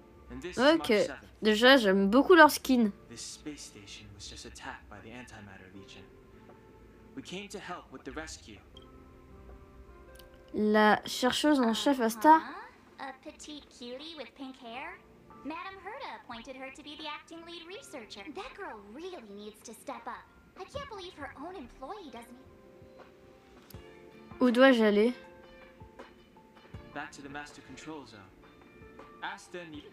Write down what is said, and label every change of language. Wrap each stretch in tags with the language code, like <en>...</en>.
<en>And this ok, is</en> <fr>déjà j'aime beaucoup leur skin.</fr> <en>This space station was just attacked by the Antimatter Legion. We came to help with the rescue.</en> <fr>La chercheuse en chef Asta.</fr> <en>A petite cutie with pink hair. Madame Herta appointed her to be the acting lead researcher. That girl really needs to step up. I can't believe her own employee doesn't.</en> <fr>Où dois-je aller?</fr> <en>Back to the master control zone. Asta needs.</en>